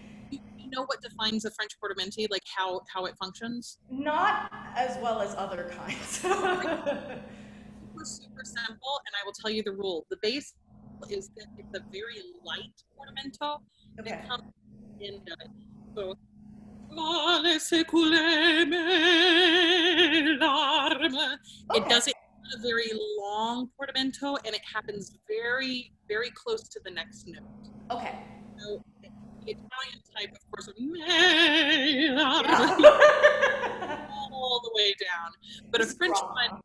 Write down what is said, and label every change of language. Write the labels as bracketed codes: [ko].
[en] You know what defines a French portamenti, like how it functions? Not as well as other kinds. Super, super simple, and I will tell you the rule. The base is that it's a very light portamento. Okay. It comes in the end of it. [fr] So, laisse couler mes larmes. [en] Okay. It does it in a very long portamento, and it happens very, very close to the next note. Okay. So, Italian type, of course, may not all the way down, but it's a French wrong.